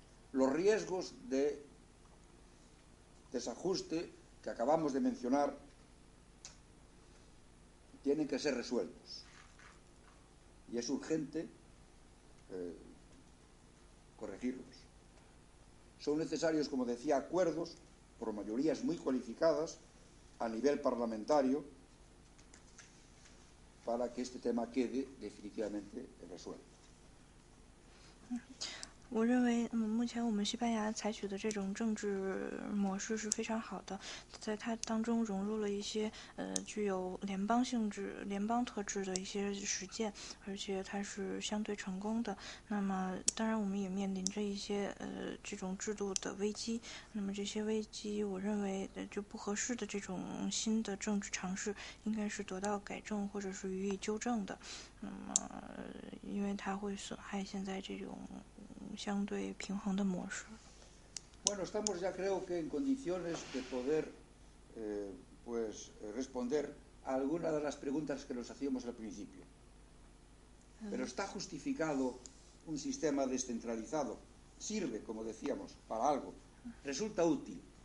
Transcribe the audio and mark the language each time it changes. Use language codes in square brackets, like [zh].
[es] Los riesgos de desajuste que acabamos de mencionar tienen que ser resueltos y es urgente corregirlos. Son necesarios, como decía, acuerdos por mayorías muy cualificadas a nivel parlamentario para que este tema quede definitivamente resuelto. [zh] 我认为目前我们西班牙采取的这种政治模式是非常好的，在它当中融入了一些具有联邦性质联邦特质的一些实践，而且它是相对成功的。那么当然我们也面临着一些这种制度的危机，那么这些危机我认为就不合适的这种新的政治尝试应该是得到改正或者是予以纠正的。那么因为它会损害现在这种相对平衡的模式。 [es] Bueno, estamos ya creo que en condiciones de poder pues responder a alguna de las preguntas que nos hacíamos al principio. Pero está justificado un sistema descentralizado. Sirve, como decíamos, para algo. Resulta útil.